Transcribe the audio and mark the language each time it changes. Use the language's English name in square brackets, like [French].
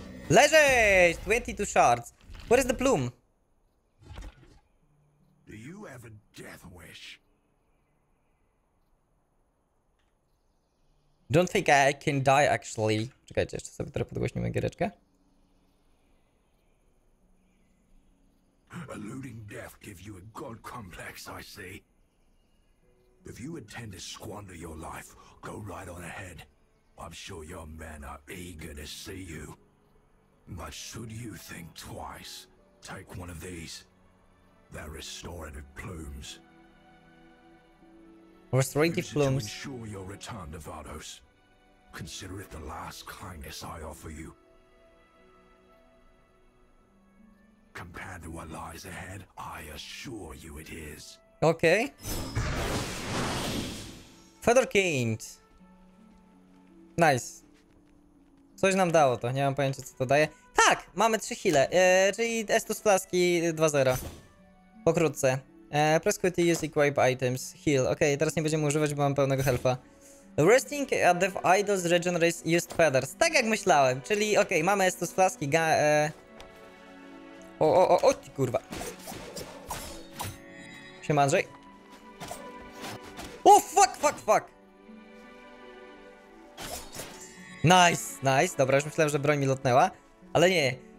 [Polish] Leżeć! [English] 22 shards. Where is the plume? have a death wish. Don't think I can die, actually. [Polish] Czekajcie, jeszcze sobie trochę podgłośnimy giereczkę. [English] Eluding death gives you a god complex, I see. If you intend to squander your life, go right on ahead. I'm sure your men are eager to see you. But should you think twice, take one of these. They're restorative plumes. Restorative plumes. To ensure your return to Vardos. Consider it the last kindness I offer you. Compared to what lies ahead, I assure you it is. Okay. Feather Kind. Nice. [Polish] Coś nam dało to, nie mam pojęcia co to daje. Tak, mamy 3 hile, czyli Estus Flaski 2.0. Pokrótce. [English] Prescute use equip items, heal. [Polish] Okej, okay, teraz nie będziemy używać, bo mam pełnego health'a. [English] Resting at the idol's regenerates used feathers. [Polish] Tak jak myślałem, czyli okej, okay, mamy Estus Flaski, O ty kurwa. Siema Andrzej. O, fuck. Nice. Dobra, już myślałem, że broń mi lotnęła. Ale nie.